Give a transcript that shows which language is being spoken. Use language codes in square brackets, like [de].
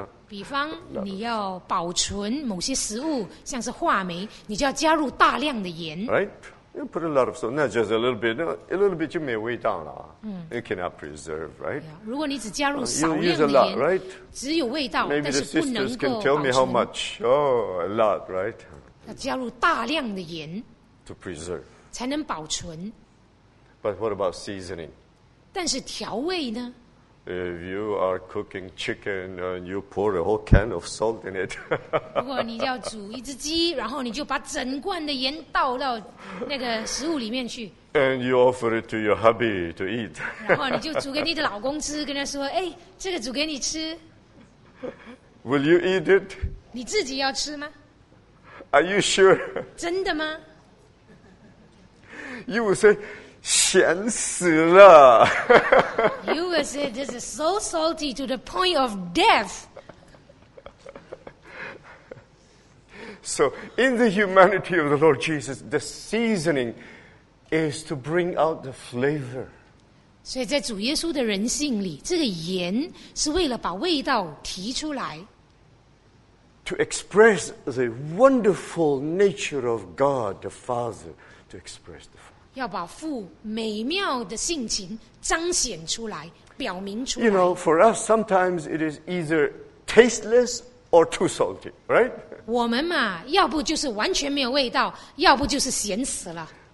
[zh] 比方你要保存某些食物，像是话梅，你就要加入大量的盐。 [en] Right? You put a lot of salt, not just a little bit. A little bit [zh] 就没有味道了。 [en] You cannot preserve, right? [zh] 如果你只加入少量的盐 [en] lot,、right? [zh] 只有味道， [en] Maybe [zh] 但是不能够保存。 [en] Can tell me how much? Oh, a lot, right? [zh] 要加入大量的盐。 [en] To preserve. [zh] 才能保存。 [en] But what about seasoning? [zh] 但是调味呢？ [en] If you are cooking chicken and you pour a whole can of salt in it. [zh] 如果你要煮一只鸡，然后你就把整罐的盐倒到那个食物里面去。 [en] And you offer it to your hubby to eat. [zh] 然后你就煮给你的老公吃，跟他说：“哎，这个煮给你吃。” [en] Will you eat it? [zh] 你自己要吃吗？ [en] Are you sure? [zh] 真的吗？ [en] You will say, [zh] 咸死了。 [en] You will say, this is so salty to the point of death. So, in the humanity of the Lord Jesus, the seasoning is to bring out the flavor. [zh] 所以在主耶稣的人性里，这个盐是为了把味道提出来。 [en] To express the wonderful nature of God, the Father, to express the Father. [zh] 要把父美妙的性情彰显出来，表明出来。 [en] You know, for us, sometimes it is either tasteless or too salty, right? [zh] 我们嘛，要不就是完全没有味道，要不就是咸死了。